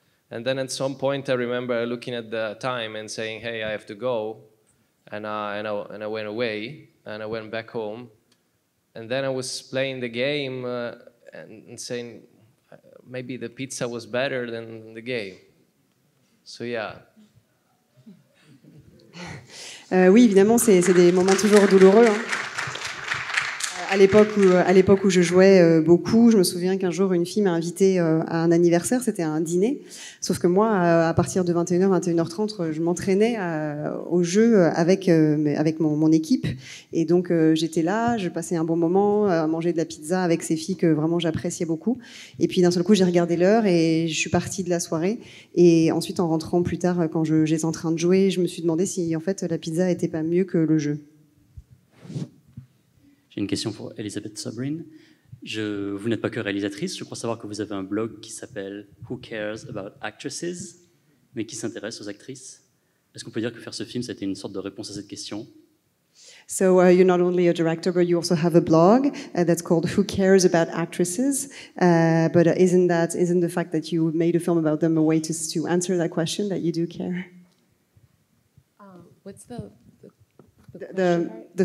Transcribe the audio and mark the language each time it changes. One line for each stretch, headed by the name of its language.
English: And then at some point, I remember looking at the time and saying, "Hey, I have to go," and I went away and I went back home. And then I was playing the game and saying, maybe the pizza was better than the game. So yeah.
French: Oui, évidemment, c'est des moments toujours douloureux. Hein. à l'époque où je jouais beaucoup, je me souviens qu'un jour une fille m'a invitée à un anniversaire, c'était un dîner, sauf que moi à partir de 21h-21h30 je m'entraînais au jeu avec mon équipe, et donc j'étais là, je passais un bon moment à manger de la pizza avec ces filles que vraiment j'appréciais beaucoup, et puis d'un seul coup j'ai regardé l'heure et je suis partie de la soirée, et ensuite en rentrant plus tard quand j'étais en train de jouer, je me suis demandé si en fait la pizza n'était pas mieux que le jeu. Une question pour Elizabeth Sobrin. Vous n'êtes pas que réalisatrice, je crois savoir que vous avez un blog qui s'appelle Who Cares About Actresses, mais qui s'intéresse aux actrices. Est-ce qu'on peut dire que faire ce film, ça a été une sorte de réponse à cette question ?
English: So you're not only a director, but you also have a blog that's called Who Cares About Actresses. But isn't the fact that you made a film about them a way to answer that question, that you do care? What's the